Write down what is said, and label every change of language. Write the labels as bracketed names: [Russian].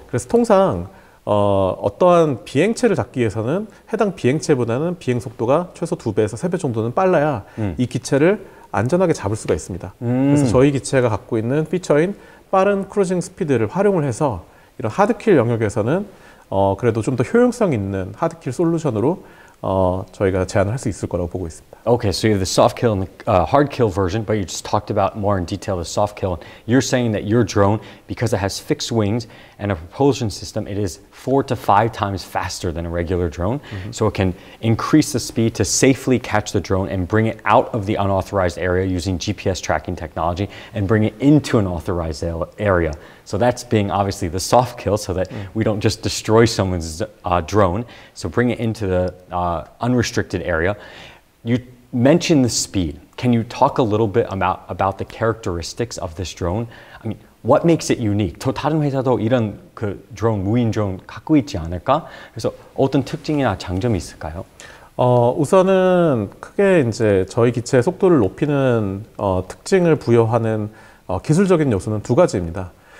[Korean] 그래서 통상 어떠한 비행체를 잡기 위해서는 해당 비행체보다는 비행 속도가 최소 2배에서 3배 정도는 빨라야 이 기체를 안전하게 잡을 수가 있습니다. 그래서 저희 기체가 갖고 있는 피처인 빠른 크루징 스피드를 활용을 해서 이런 하드킬 영역에서는 그래도 좀 더 효용성 있는 하드킬 솔루션으로 저희가 제안을 할 수 있을 거라고 보고 있습니다. [English] Okay, so you have the soft kill and the hard kill version, but you just talked about more in detail the soft kill. You're saying that your drone, because it has fixed wings and a propulsion system, it is 4 to 5 times faster than a regular drone. So it can increase the speed to safely catch the drone and bring it out of the unauthorized area using GPS tracking technology and bring it into an authorized area. So that's being obviously the soft kill so that we don't just destroy someone's drone. So bring it into the unrestricted area. You mentioned the speed. Can you talk a little bit about the characteristics of this drone? I mean, what makes it unique? [Korean] 또 다른 회사도 이런 그 드론, 무인 드론 갖고 있지 않을까? 그래서 어떤 특징이나 장점이 있을까요? 우선은 크게 이제 저희 기체의 속도를 높이는 특징을 부여하는 기술적인 요소는 두 가지입니다.